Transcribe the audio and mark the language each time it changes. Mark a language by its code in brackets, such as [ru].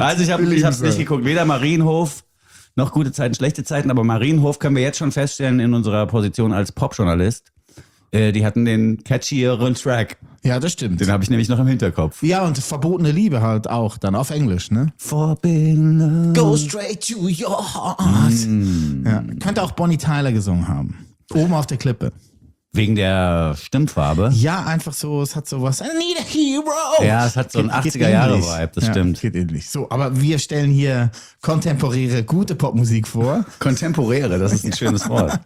[de] Also ich habe es nicht geguckt, weder Marienhof noch gute Zeiten, schlechte Zeiten, aber Marienhof können wir jetzt schon feststellen in unserer Position als Popjournalist. Die hatten den catchieren Track. Ja, das stimmt. Den habe ich nämlich noch im Hinterkopf. Ja, und Verbotene Liebe halt auch, dann auf Englisch, ne? Forbidden. [en] Go straight to your heart. [de] Mm. Ja. Könnte auch Bonnie Tyler gesungen haben. Oben auf der Klippe. Wegen der Stimmfarbe? Ja, einfach so, es hat sowas. [en] I need a hero. [de] Ja, es hat so einen 80er-Jahre-Vibe, das stimmt. Geht ähnlich. So, aber wir stellen hier kontemporäre, gute Popmusik vor. Kontemporäre, das ist ein schönes Wort.